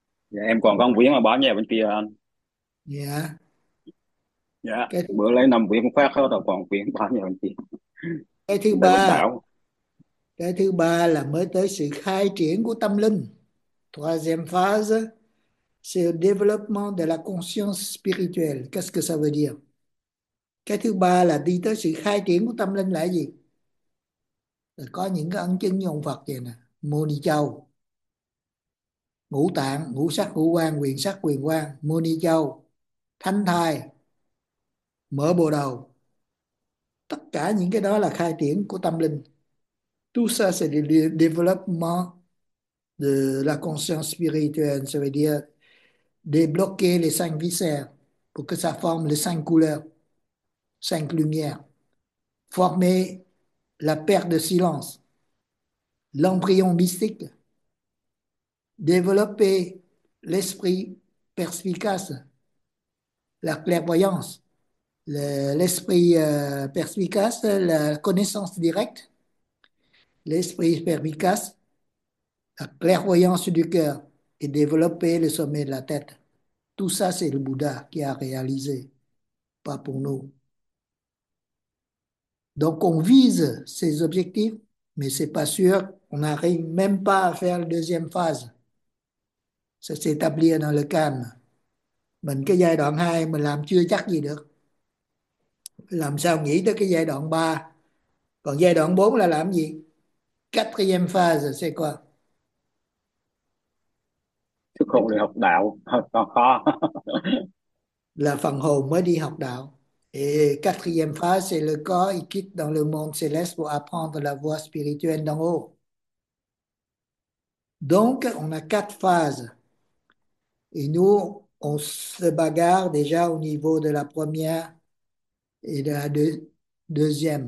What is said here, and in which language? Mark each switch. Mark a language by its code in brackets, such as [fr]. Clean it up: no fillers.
[vi] Dạ em còn có một quyển mà bỏ nhà bên kia anh. Dạ. Yeah. Dạ, cái bữa lấy 5 quyển khác thôi, còn một quyển bỏ nhà bên kia. Cái thứ ba. Cái thứ ba là mới tới sự khai triển của tâm linh. [fr] Troisième phase, c'est le développement de la conscience spirituelle. Qu'est-ce que ça veut dire? [vi] Cái thứ ba là đi tới sự khai triển của tâm linh là gì? Có những cái ấn chứng như ông Phật vậy nè, Moni Châu, ngũ tạng, ngũ sắc, ngũ quan, quyền sắc, quyền quan, Moni Châu, thánh thai, mở bồ đầu. Tất cả những cái đó là khai triển của tâm linh. [fr] Tout ça c'est le développement de la conscience spirituelle, ça veut dire débloquer les cinq viscères pour que ça forme les cinq couleurs, cinq lumières, former la perte de silence, l'embryon mystique, développer l'esprit perspicace, la clairvoyance, l'esprit perspicace, la connaissance directe, l'esprit perspicace, la clairvoyance du cœur et développer le sommet de la tête. Tout ça, c'est le Bouddha qui a réalisé, pas pour nous. Donc on vise ces objectifs, mais ce n'est pas sûr, on n'arrive même pas à faire la deuxième phase. Ça s'établit dans le calme. [vi] Mình cái giai đoạn 2, mình làm chưa chắc gì được. Làm sao nghĩ tới cái giai đoạn 3. Còn giai đoạn 4 là làm gì? [fr] Quatrième phase, c'est quoi? [vi] Chứ không đi học đạo, còn khó. Là phần hồn mới đi học đạo. [fr] Et quatrième phase, c'est le corps qui quitte dans le monde céleste pour apprendre la voie spirituelle d'en haut. Donc, on a quatre phases. Et nous, on se bagarre déjà au niveau de la première et de la deuxième.